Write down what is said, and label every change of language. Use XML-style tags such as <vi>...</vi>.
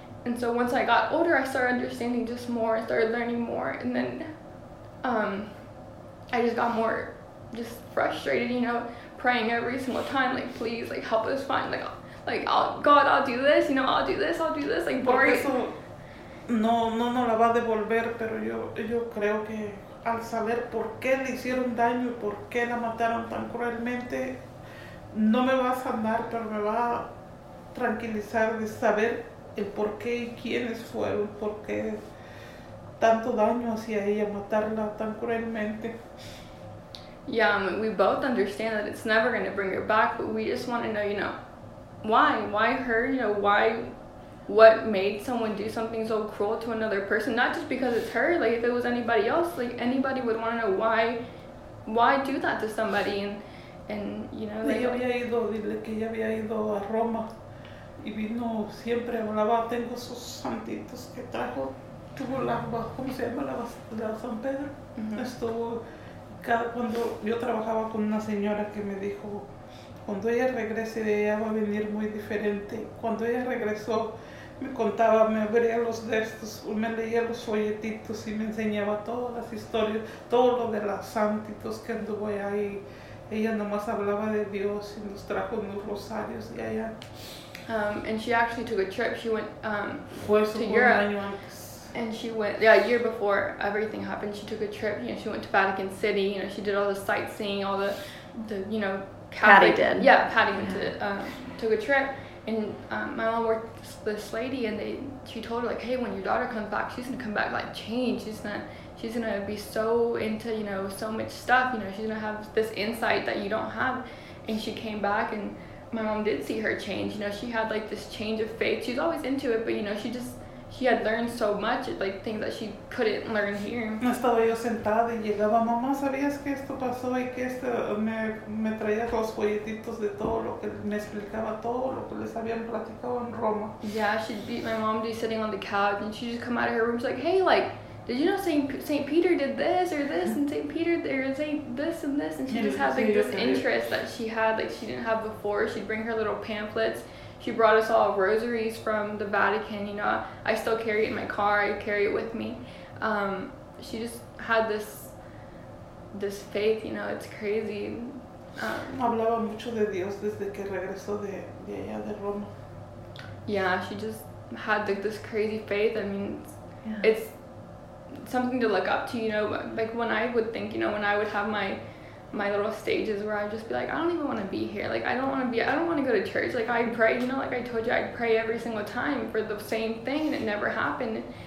<en>And so once I got older, I started understanding just more. I started learning more. And then I just got more just frustrated, you know, praying every single time, like, please, like, help us find, like, God, I'll do this, you know, I'll do this, like, boring.</en> <es>Eso, no la va a devolver, pero yo creo que al saber por qué le hicieron daño y por qué la mataron tan cruelmente, no me va a sanar, pero me va a tranquilizar de saber el por qué y quiénes fueron, por qué tanto daño hacia ella, matarla tan cruelmente.</es> <en>Yeah, I mean, we both understand that it's never going to bring her back, but we just want to know, you know, why? Why her? You know, why? What made someone do something so cruel to another person? Not just because it's her. Like, if it was anybody else, like, anybody would want to know why. Why do that to somebody? And you know,</en> <es>like, ella había ido, dile que ella había ido a Roma y vino siempre hablaba. Tengo sus santitos que trajo. Tuvo la, ¿cómo se llama? La San Pedro. Mm-hmm. Estuvo. Cuando yo trabajaba con una señora que me dijo, cuando ella regrese, ella va a venir muy diferente. Cuando ella regresó, me contaba, me abría los textos, me leía los folletitos y me enseñaba todas las historias, todo lo de las santitos que anduvo allá. Y ella nomás hablaba de Dios y nos trajo unos rosarios y allá.</es> <en>And she actually took a trip. She went to Europe. And she went, yeah, a year before everything happened, she took a trip, you know, she went to Vatican City, you know, she did all the sightseeing, all the you know, Catholic. Patty did. Yeah, Patty went to, took a trip, and my mom worked with this lady, and she told her, like, hey, when your daughter comes back, she's going to come back, like, changed. She's going to be so into, you know, so much stuff, you know, she's going to have this insight that you don't have. And she came back, and my mom did see her change, you know, she had, like, this change of faith. She's always into it, but, you know, she had learned so much, like, things that she couldn't learn here.</en> <es>No estaba yo sentada y llegaba, mamá, ¿sabías que esto pasó y que esto me traía los folletitos de todo lo que me explicaba, todo lo que les habían platicado en Roma?</es> <en>Yeah, she'd be, my mom be sitting on the couch, and she'd just come out of her room, she's like, hey, like, did you know St. Peter did this or this, and St. Peter there is this and this, and she just had, like, this interest that she had, like, she didn't have before. She'd bring her little pamphlets. She brought us all rosaries from the Vatican, you know. I still carry it in my car. I carry it with me. She just had this faith, you know. It's crazy.</en> <es>Hablaba mucho de Dios desde que regresó de allá de Roma.</es> <en>Yeah, she just had, like, this crazy faith. I mean, it's something to look up to, you know. Like, when I would think, you know, when I would have my little stages where I'd just be like, I don't even want to be here. Like, I don't want to go to church. Like, I pray, you know, like I told you, I'd pray every single time for the same thing, and it never happened.</en>